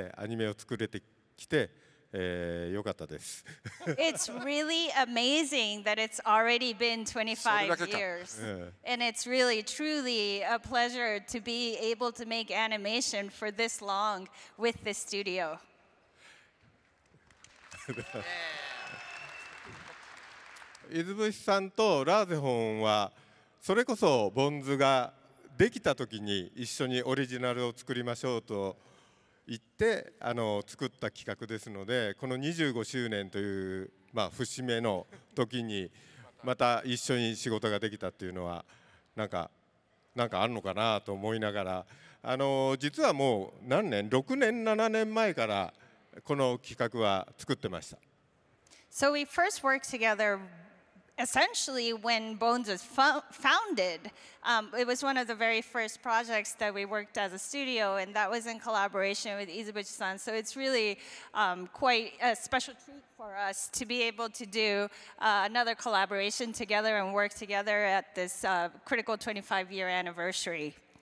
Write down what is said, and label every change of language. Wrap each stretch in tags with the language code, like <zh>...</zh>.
<ja>そうですね。25年もアニメが、アニメっていうか、ボンズという会社でアニメを作れてきて、</ja> <en>It's really amazing that it's already been 25 years. And it's really, truly a pleasure to be able to make animation for this long with this studio.</en> <ja>イズブシさんとラーゼホンは、それこそボンズができた時に一緒にオリジナルを作りましょうと行ってあの作った企画ですので、この25周年という、まあ、節目の時にまた一緒に仕事ができたっていうのはなんかあるのかなと思いながら、あの実はもう何年、6年7年前からこの企画は作ってました。</ja> <en>So we first worked together essentially when Bones was founded. It was one of the very first projects that we worked as a studio, and that was in collaboration with Izubuchi-san. So it's really quite a special treat for us to be able to do another collaboration together and work together at this critical 25-year anniversary.</en>